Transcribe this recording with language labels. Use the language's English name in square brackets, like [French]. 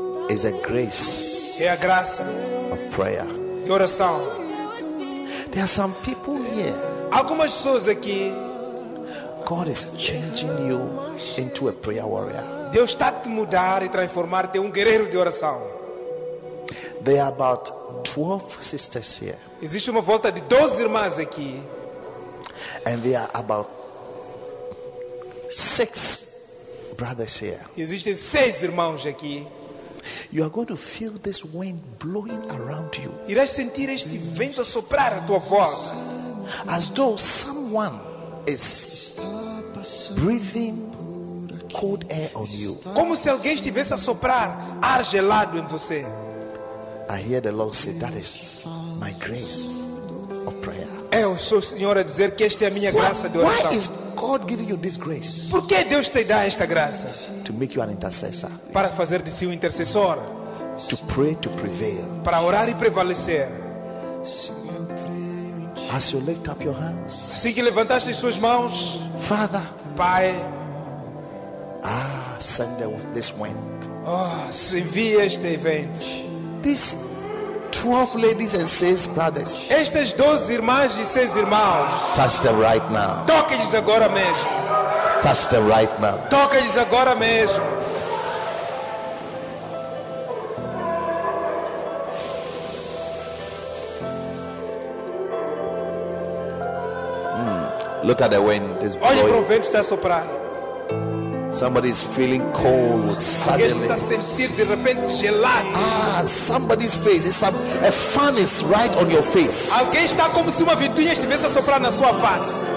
[English] Is a grace. [Portuguese] É a graça. [English] Of prayer. [Portuguese] De oração. [English] There are some people here. [Portuguese] Algumas pessoas aqui. [English] God is changing you into a prayer warrior. [Portuguese] Deus está a te mudar e transformar em um guerreiro de oração. [English] There are about 12 sisters here. [Portuguese] Existe uma volta de 12 irmãs aqui. [English] And there are about 6 brothers here. [Portuguese] Existem 6 irmãos aqui. [English] You are going to feel this wind blowing around you. [Portuguese] Irás sentir este vento a soprar à tua volta. [English] As though someone is breathing cold air on you. [Portuguese] Como se alguém estivesse a soprar ar gelado em você. [English] I hear the Lord say, "That is my grace of prayer." [Portuguese] É o Senhor a dizer que esta é a minha graça de oração. [English] Why is God giving you this grace? [Portuguese] Por que Deus te dá esta graça? [English] To make you an intercessor. [Portuguese] Para fazer de si um intercessor. [English] To pray to prevail. [Portuguese] Para orar e prevalecer. [English] As you lift up your hands. [Portuguese] Assim que levantaste as suas mãos. [English] Father. [Portuguese] Pai. [English] Ah, send this wind. [Portuguese] Oh, envia este vento. [English] These 12 ladies and 6 brothers. [Portuguese] Estas 12 irmãs e 6 irmãos. [English] Touch them right now. [Portuguese] Toque-lhes agora mesmo. [English] Touch them right now. [Portuguese] Toca-lhes agora mesmo. [English] Look at the wind. It's blowing. [Portuguese] Olha para o vento que está a soprar. [English] Somebody's feeling cold suddenly. [Portuguese] Alguém está a sentir de repente gelado. [English] Ah, somebody's face. It's a fan is right on your face. [Portuguese] Alguém está como se uma ventoinha estivesse a soprar na sua face.